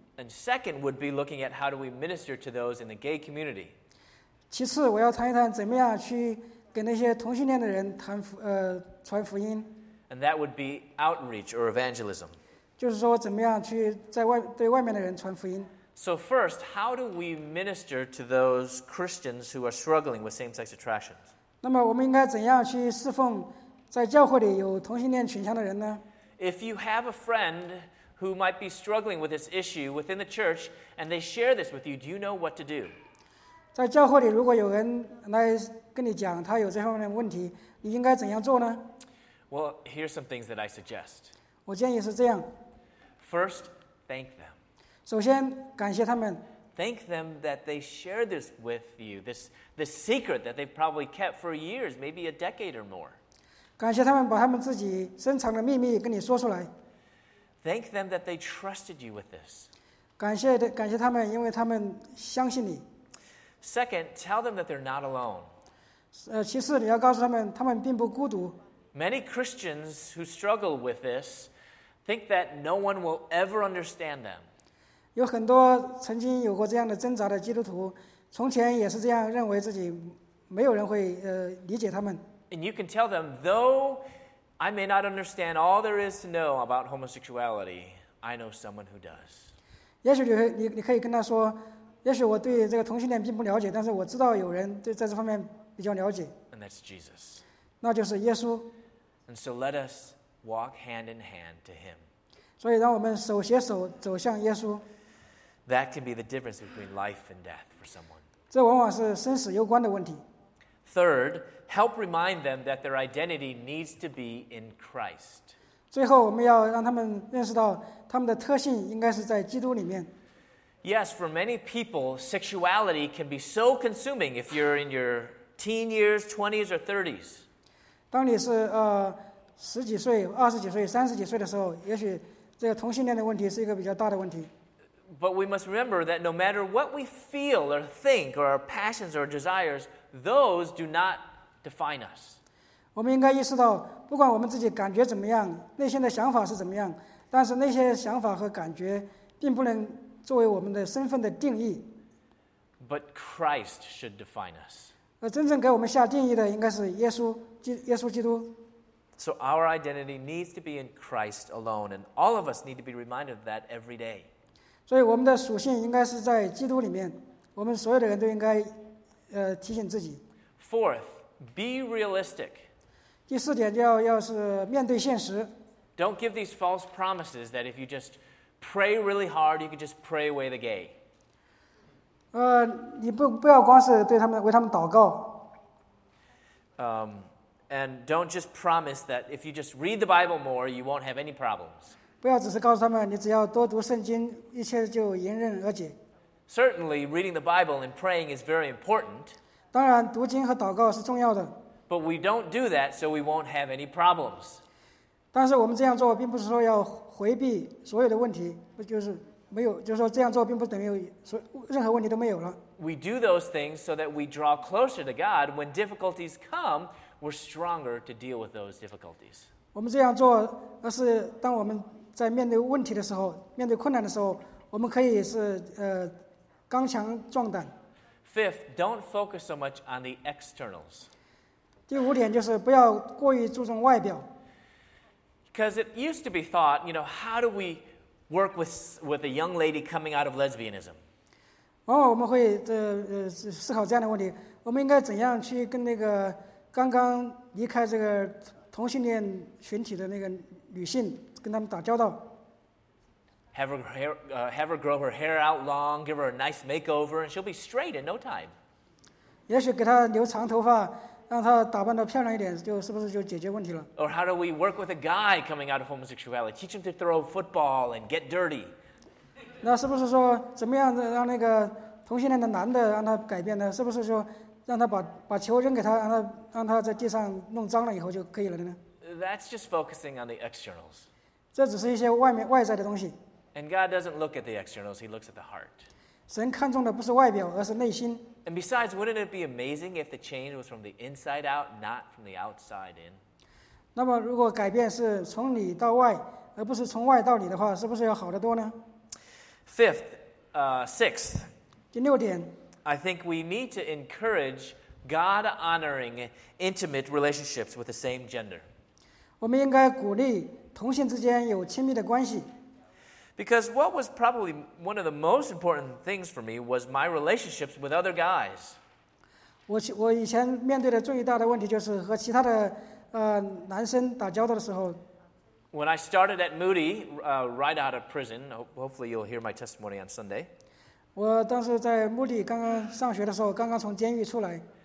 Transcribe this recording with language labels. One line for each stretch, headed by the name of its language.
English: And second would be looking at how do we minister to those in the gay community.
Chinese: 其次，我要谈一谈怎么样去给那些同性恋的人谈传福音。
English: And that would be outreach or evangelism.
Chinese: 就是说，怎么样去在外对外面的人传福音。
English: So first, how do we minister to those Christians who are struggling with same-sex attraction?
Chinese: 那么我们应该怎样去侍奉在教会里有同性恋倾向的人呢？
English: If you have a friend who might be struggling with this issue within the church and they share this with you, do you know what to do?
Chinese: 在教会里如果有人来跟你讲他有这方面的问题，你应该怎样做呢？
English: Well, here's some things that I suggest.
Chinese: 我建议是这样。
English: First, thank them.
Chinese: 首先感谢他们。
English: Thank them that they share this with you, this secret that they've probably kept for years, maybe a decade or more.
Chinese: 感谢他们把他们自己深藏的秘密跟你说出来。
English: Thank them that they trusted you with this.
Chinese: 感谢他们，因为他们相信你。
English: Second, tell them that they're not alone.
Chinese: 其次，你要告诉他们，他们并不孤独。
English: Many Christians who struggle with this think that no one will ever understand them.
Chinese: 有很多曾经有过这样的挣扎的基督徒，从前也是这样认为自己，没有人会理解他们。
English: And you can tell them, though I may not understand all there is to know about homosexuality, I know someone who does.
Chinese: 也许你可以跟他说，也许我对这个同性恋并不了解，但是我知道有人对在这方面比较了解。
English: And that's Jesus.
Chinese: 那就是耶稣。
English: And so let us walk hand in hand to him.
Chinese: 所以让我们手携手走向耶稣。
English: That can be the difference between life and death for someone.
Chinese: 这往往是生死攸关的问题。
English: Third, help remind them that their identity needs to be in Christ.
Chinese: 最后我们要让他们认识到他们的特性应该是在基督里面。
English: Yes, for many people, sexuality can be so consuming if you're in your teen years, 20s or 30s.
Chinese: 当你是十几岁、二十几岁、三十几岁的时候，也许这个同性恋的问题是一个比较大的问题。
English: But we must remember that no matter what we feel or think or our passions or desires, those do not define us.
Chinese: 我们应该意识到，不管我们自己感觉怎么样，内心的想法是怎么样，但是那些想法和感觉并不能作为我们的身份的定义。
English: But Christ should define us.
Chinese: 真正给我们下定义的应该是耶稣基督。
English: So our identity needs to be in Christ alone, and all of us need to be reminded of that every day.
Chinese: 所以我们的属性应该是在基督里面，我们所有的人都应该提醒自己。
English: Fourth, be realistic.
Chinese: 第四点要是面对现实。
English: Don't give these false promises that if you just pray really hard, you can just pray away the gay.
Chinese: 你不要光是对他们为他们祷告。
English: And don't just promise that if you just read the Bible more, you won't have any problems.
Chinese: 不要只是告诉他们，你只要多读圣经，一切就迎刃而解。
English: Certainly, reading the Bible and praying is very important.
Chinese: 当然，读经和祷告是重要的。
English: But we don't do that, so we won't have any problems.
Chinese: 但是我们这样做，并不是说要回避所有的问题，不就是没有，就是说这样做并不等于说任何问题都没有了。
English: We do those things so that we draw closer to God. When difficulties come, we're stronger to deal with those difficulties.
Chinese: 我们这样做，而是当我们在面对问题的时候，面对困难的时候，我们可以是刚强壮胆。
English: Fifth, don't focus so much on the externals.
Chinese: 第五点就是不要过于注重外表。
English: Because it used to be thought, you know, how do we work with a young lady coming out of lesbianism?
Chinese: 往往我们会思考这样的问题：我们应该怎样去跟那个刚刚离开这个同性恋群体的那个女性跟他们打交道？
English: Have her grow her hair out long, give her a nice makeover, and she'll be straight in no time.
Chinese: 也许给她留长头发，让她打扮得漂亮一点，就是不是就解决问题了
English: ？Or how do we work with a guy coming out of homosexuality? Teach him to throw football and get dirty.
Chinese: 那是不是说怎么样让那个同性恋的男的让他改变呢？是不是说让他把球扔给他，让他在地上弄脏了以后就可以了呢
English: ？That's just focusing on the externals.
Chinese: 这只是一些外在的东西。
English: And God doesn't look at the externals, he looks at the heart.
Chinese: 神看重的不是外表，而是内心。
English: And besides, wouldn't it be amazing if the change was from the inside out, not from the outside in?
Chinese: 那么如果改变是从里到外，而不是从外到里的话，是不是要好得多呢？
English: Sixth.
Chinese: 第六点。
English: I think we need to encourage God-honoring intimate relationships with the same gender.
Chinese: 我们应该鼓励同性之间有亲密的关系。
English: Because what was probably one of the most important things for me was my relationships with other guys.
Chinese: 我以前面对的最大的问题就是和其他的男生打交道的时候。
English: When I started at Moody, right out of prison, hopefully you'll hear my testimony on Sunday.
Chinese: 我当时在穆迪刚刚上学的时候，刚刚从监狱出来。